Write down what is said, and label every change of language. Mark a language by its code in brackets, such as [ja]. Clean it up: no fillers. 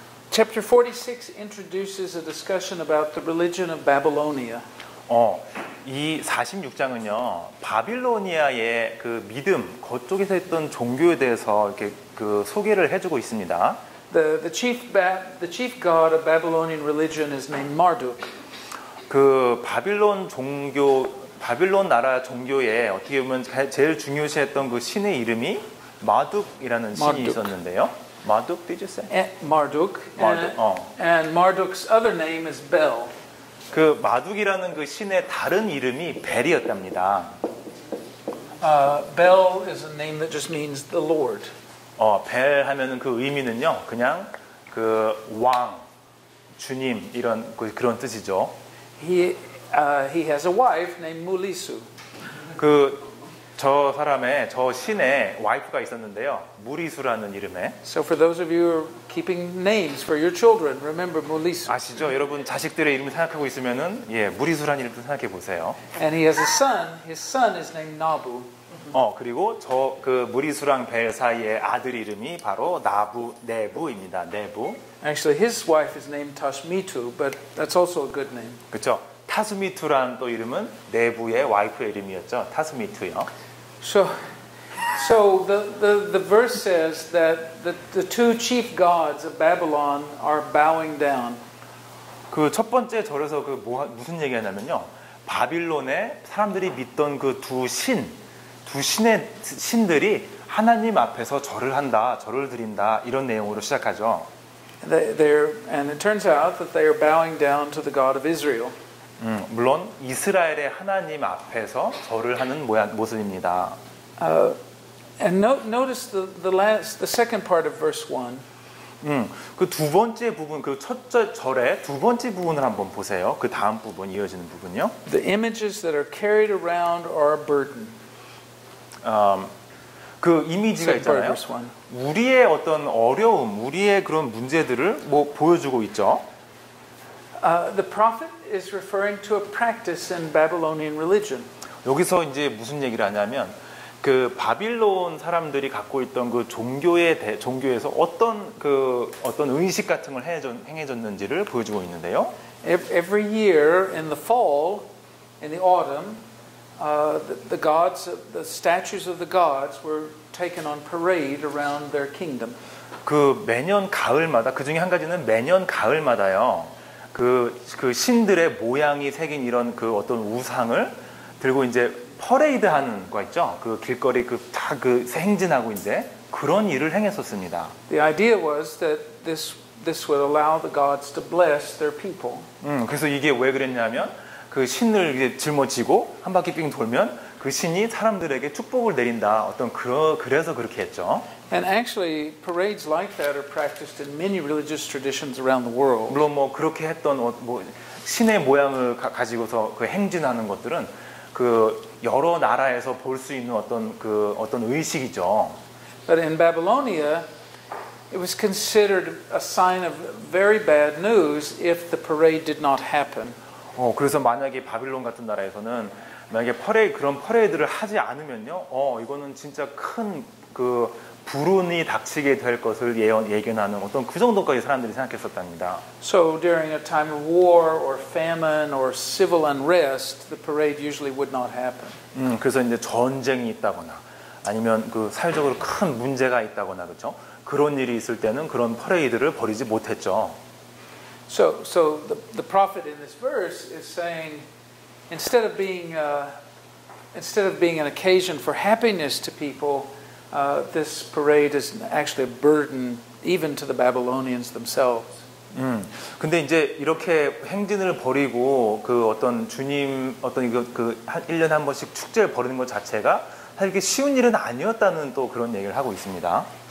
[en] Chapter 46 introduces a discussion about the religion of Babylonia. [ko] 이 46장은요, 바빌로니아의 그 믿음, 거쪽에서 했던 종교에 대해서 이렇게 그 소개를 해주고 있습니다. [en] The chief god of Babylonian religion is named Marduk. [ko] 그 바빌론 종교 바빌론 나라 종교에 어떻게 보면 제일 중요시했던 그 신의 이름이 마둑이라는 신이 있었는데요. [en] Marduk, did you say? Marduk. Marduk. And Marduk's other name is Bel. [ko] 그 마둑이라는 그 신의 다른 이름이 벨이었답니다. [en] Bel is a name that just means the Lord. [ko] 벨 하면은 그 의미는요, 그냥 그 왕, 주님 이런 그런 뜻이죠. [en] He has a wife named Mulisu. [ko] 그 저 사람의 저 신의 와이프가 있었는데요, 무리수라는 이름에. [en] So for those of you who are keeping names for your children, remember Mulisu. [ko] 아시죠, 여러분 자식들의 이름을 생각하고 있으면은 예 무리수라는 이름도 생각해 보세요. [en] And he has a son. His son is named Nabu. [ko] 그리고 저 그 무리수랑 벨 사이의 아들 이름이 바로 네부입니다. 네부. [en] Actually, his wife is named Tashmitu, but that's also a good name. [ko] 그렇죠. 타스미투란 또 이름은 네부의 와이프의 이름이었죠. 타스미투요. [en] So, So the verse says that the two chief gods of Babylon are bowing down. [ko] 그 첫 번째 절에서 그 뭐, 무슨 얘기하냐면요. 바빌론에 사람들이 믿던 그 두 신, 두 신의 신들이 하나님 앞에서 절을 한다, 절을 드린다 이런 내용으로 시작하죠. [en] And it turns out that they are bowing down to the God of Israel. [ko] 물론 이스라엘의 하나님 앞에서 절을 하는 모습입니다. [en] And notice the second part of verse 1. [ko] 그 두 번째 부분, 그 첫 절의 두 번째 부분을 한번 보세요. 그 다음 부분 이어지는 부분요. [en] The images that are carried around are a burden. [ko] 그 이미지가 있잖아요. 우리의 어떤 어려움, 우리의 그런 문제들을 뭐 보여주고 있죠. [en] The prophet is referring to a practice in Babylonian religion. [ko] 여기서 이제 무슨 얘기를 하냐면 그 바빌론 사람들이 갖고 있던 그 종교에서 어떤 의식 같은 걸 행해졌는지를 보여주고 있는데요. [en] Every year in the fall, in the autumn, the gods, the statues of the gods were taken on parade around their kingdom. [ko] 그 매년 가을마다 그 중에 한 가지는 매년 가을마다요. 그 신들의 모양이 새긴 이런 그 어떤 우상을 들고 이제 퍼레이드 하는 거 있죠? 그 길거리 그 다 그 행진하고 이제 그런 일을 행했었습니다. [en] The idea was that this would allow the gods to bless their people. [ko] 그래서 이게 왜 그랬냐면 그 신을 이제 짊어지고 한 바퀴 빙 돌면 그 신이 사람들에게 축복을 내린다. 어떤 그래서 그렇게 했죠. [en] And actually parades like that are practiced in many religious traditions around the world. [ko] 물론 뭐 그렇게 했던 뭐 신의 모양을 가지고서 그 행진하는 것들은 그 여러 나라에서 볼 수 있는 어떤 의식이죠. [en] But in Babylonia, it was considered a sign of very bad news if the parade did not happen. [ko] 그래서 만약에 바빌론 같은 나라에서는 만약에 그런 퍼레이드를 하지 않으면요, 이거는 진짜 큰 그 불운이 닥치게 될 것을 예견하는 어떤 그 정도까지 사람들이 생각했었답니다. [en] So during a time of war or famine or civil unrest, the parade usually would not happen. [ko] 그래서 이제 전쟁이 있다거나 아니면 그 사회적으로 큰 문제가 있다거나 그렇죠? 그런 일이 있을 때는 그런 퍼레이드를 벌이지 못했죠. [en] So the prophet in this verse is saying instead of being an occasion for happiness to people, this parade is actually a burden even to the Babylonians themselves. [ko] 근데 이제 이렇게 행진을 벌이고 그 어떤 주님 어떤 이거 그 1년 한 번씩 축제를 벌이는 것 자체가 사실 이게 쉬운 일은 아니었다는 또 그런 얘기를 하고 있습니다.